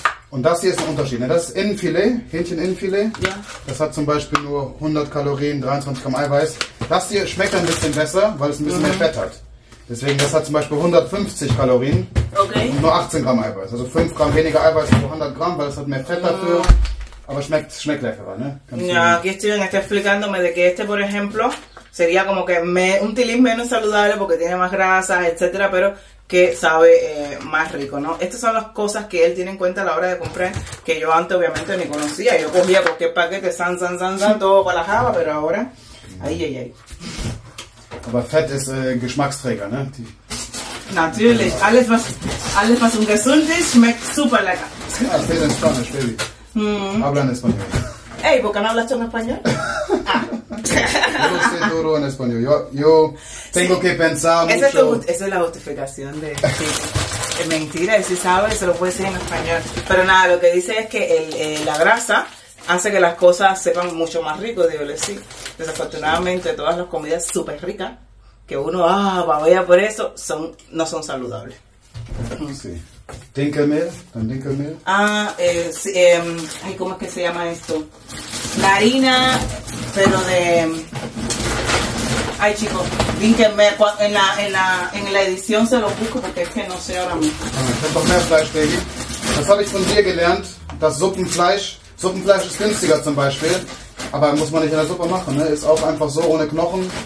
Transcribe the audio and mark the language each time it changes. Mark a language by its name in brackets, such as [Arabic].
[German] Und das hier ist ein Unterschied. Ne? Das ist Innenfilet, Hähnchen-Innenfilet. Ja. Das hat zum Beispiel nur 100 Kalorien, 23 Gramm Eiweiß. Das hier schmeckt ein bisschen besser, weil es ein bisschen mehr Fett hat. Deswegen, das hat zum Beispiel 150 Kalorien und nur 18 Gramm Eiweiß. Also 5 Gramm weniger Eiweiß pro 100 Gramm, weil es hat mehr Fett dafür. Aber schmeckt leckerer, ne? [Spanish] Ja, aquí Steven está explicándome de que este, por ejemplo, sería como que un tilín menos saludable porque tiene más grasas, etcétera, pero que sabe más rico, ¿no? Estas son las cosas que él tiene en cuenta a la hora de comprar, que yo antes obviamente ni conocía. Yo cogía cualquier paquete, san, todo para la java, pero ahora, ay. Aber Fett ist Geschmacksträger, ne? Natürlich, alles was ungesund ist, schmeckt super lecker. [German] Ah, fehlt in Spanisch, Baby. [Spanish] Habla en español. Ey, ¿por qué no hablas tú en español? Yo sé todo en español. Yo tengo que pensar mucho. Esa es la justificación de... Es mentira, si sabes, se lo puede decir en español. Pero nada, lo que dice es que la grasa hace que las cosas sepan mucho más rico. Digo, sí. Desafortunadamente, todas las comidas súper ricas, que uno, vaya por eso, no son saludables. Sí. [German] Dinkelmehl, dann Dinkelmehl. [Spanish] ¿Cómo es que se llama esto? La harina, pero de... Ay, chicos, Dinkelmehl, en la edición se lo busco porque es que no sé ahora mismo. [German] Ah, ich hab doch mehr Fleisch, Baby. Das habe ich von dir gelernt, das Suppenfleisch. Suppenfleisch ist günstiger zum Beispiel, aber muss man nicht in der Suppe machen, ne? Ist auch einfach so, ohne Knochen,